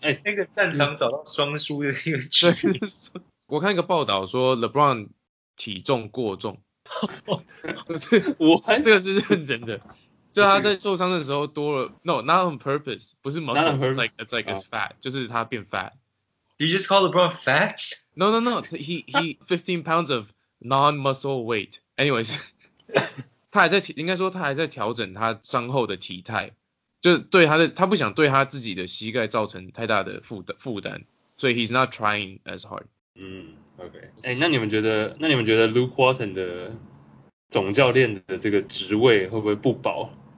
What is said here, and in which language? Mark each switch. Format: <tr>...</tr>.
<zh>那个擅长找到双输的一个球员。我看一个报道说 LeBron 体重过重，我这个是认真的，就他在受伤的时候多了 ，</zh> <en>no not on purpose，</en> <zh>不是 muscle，</zh> <en>it's like it's fat，</en> <zh>就是他变 fat。</zh> <en>Did you just call LeBron fat? No. He 15 pounds of non-muscle weight.</en> <zh>Anyways, 他还在应该说他还在调整他伤后的体态，就对他不想对他自己的膝盖造成太大的负担，所以</zh> <en>he's not trying as hard. 嗯 ，OK.</en> <zh>那你们觉得 Luke Walton 的总教练的这个职位会不会不保？</zh>